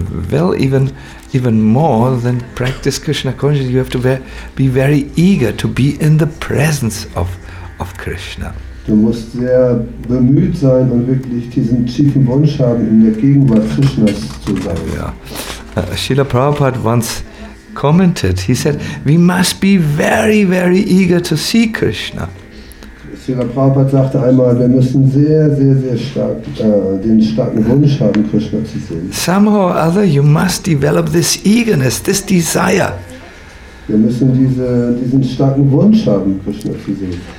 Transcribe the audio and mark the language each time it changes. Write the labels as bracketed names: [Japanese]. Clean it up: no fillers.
[English] Well, even more than practice Krishna consciousness, you have to be very eager to be in the presence of Krishna. [German] Du musst sehr bemüht sein und wirklich diesen tiefen Wunsch haben, in der Gegenwart Krishnas zu sein. Ja. [English] Srila Prabhupada once commented, he said, we must be very, very eager to see Krishna. [German] Srila Prabhupada sagte einmal, wir müssen sehr, sehr, sehr stark den starken Wunsch haben, Krishna zu sehen. [English] Somehow or other, you must develop this eagerness, this desire. [German] Wir müssen diesen starken Wunsch haben, Krishna zu sehen.